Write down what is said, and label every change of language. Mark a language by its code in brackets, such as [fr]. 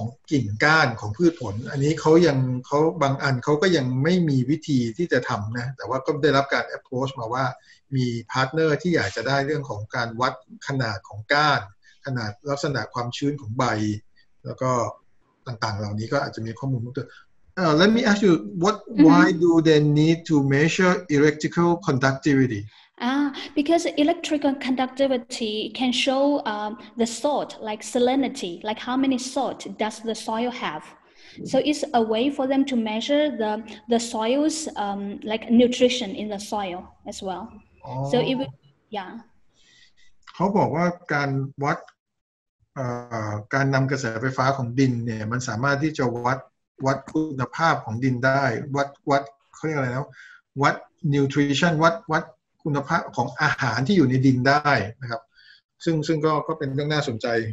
[th] กิ่งก้านของพืชผลอันนี้เขายังเขาบางอันเขาก็ยังไม่มีวิธีที่จะทำนะแต่ว่าก็ได้รับการ approach มาว่ามีพาร์ทเนอร์ที่อยากจะได้เรื่องของการวัดขนาดของก้านขนาดลักษณะความชื้นของใบแล้วก็ต่างๆเหล่านี้ก็อาจจะมีข้อมูลเพิ่มเติม [en] Let me ask you what why do they need to measure electrical conductivity Because electrical conductivity can show the salt like salinity like how many salt does the soil haveSo it's a way for them to measure the soil's like nutrition in the soil as well. Oh. So it would, yeah. [th] เขาบอกว่าการวัดการนำกระแสไฟฟ้าของดินเนี่ยมันสามารถที่จะวัดคุณภาพของดินได้วัดเขาเรียกอะไรนะวัด nutrition วัดคุณภาพของอาหารที่อยู่ในดินได้นะครับซึ่งก็เป็นเรื่องน่าสนใจ